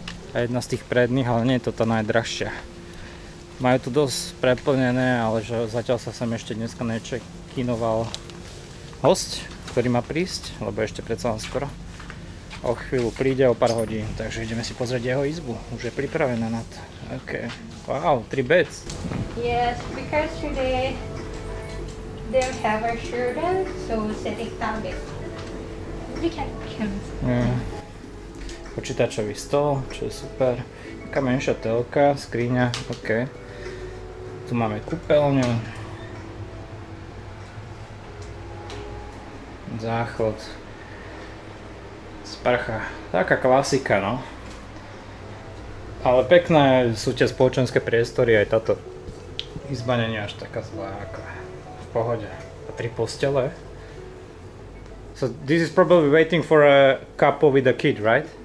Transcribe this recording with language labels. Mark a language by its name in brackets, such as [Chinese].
[Slovak] A jedna z tých predných, ale nie je to tá najdrahšia. Majú tu dosť preplnené, ale že zatiaľ sa sem ešte dneska nečekinoval hosť, ktorý má prísť, lebo ešte predsa len skoro. O chvíľu príde, o pár hodín, takže ideme si pozrieť jeho izbu. Už je pripravená na to. OK. [English] Wow, 3 beds. Yes, because today they don't have a shooter, so setting target. We can come. Yeah. [Slovak] Počítačový stôl, čo je super. Taká menšia telka, skriňa, OK. Tu máme kúpeľňu. Záchod. Sprcha. Taká klasika, no. Ale pekné sú tie spoločenské priestory, aj táto izba nie je až taká zlá, ako v pohode. A tri postele. [English] So this is probably waiting for a couple with a kid, right?